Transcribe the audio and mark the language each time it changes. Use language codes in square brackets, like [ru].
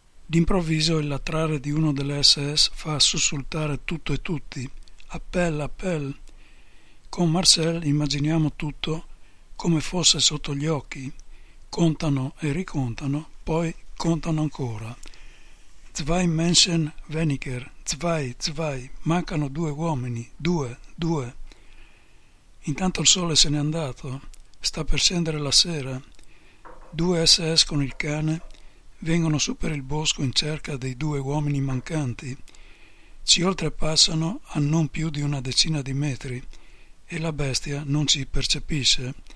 [it] D'improvviso il latrare di uno delle SS fa sussultare tutto e tutti. Appel, appel. Con Marcel immaginiamo tutto come fosse sotto gli occhi. Contano e ricontano, poi contano ancora. [de] Zwei Menschen weniger, zwei, zwei. [it] Mancano 2 uomini, 2, 2. Intanto il sole se n'è andato. Sta per scendere la sera. 2 SS con il cane vengono su per il bosco in cerca dei 2 uomini mancanti. Ci oltrepassano a non più di 10 metri e la bestia non ci percepisce.